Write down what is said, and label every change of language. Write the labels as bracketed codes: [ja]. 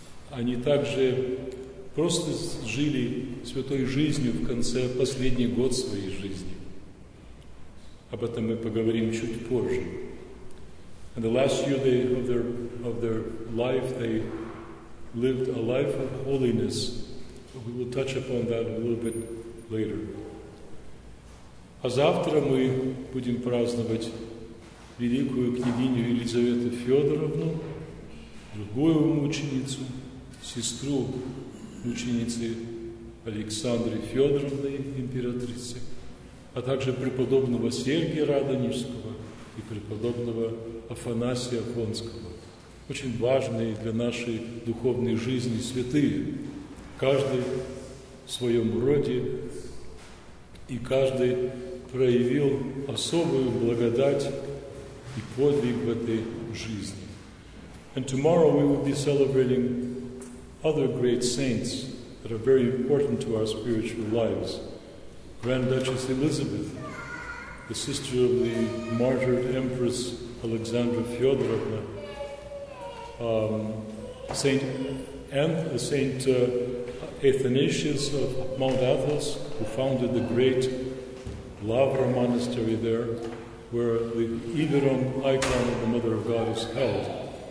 [ru] Они также просто жили святой жизнью в конце, последний год своей жизни. Об этом мы поговорим чуть позже. [en] In the last year of their life, they lived a life of holiness. We will touch upon that a little bit later. [ru] А завтра мы будем праздновать великую княгиню Елизавету Федоровну, другую мученицу, сестру мученицы Александры Федоровны, императрицы, а также преподобного Сергия Радонежского и преподобного Афанасия Афонского. Очень важные для нашей духовной жизни святые, каждый в своем роде, и каждый проявил особую благодать и подвиг в этой жизни. [en] And tomorrow we will be celebrating other great saints that are very important to our spiritual lives. Grand Duchess Elizabeth, the sister of the martyred Empress Alexandra Fyodorovna, Saint Athanasius of Mount Athos, who founded the great Lavra Monastery there, where the Iveron icon of the Mother of God is held.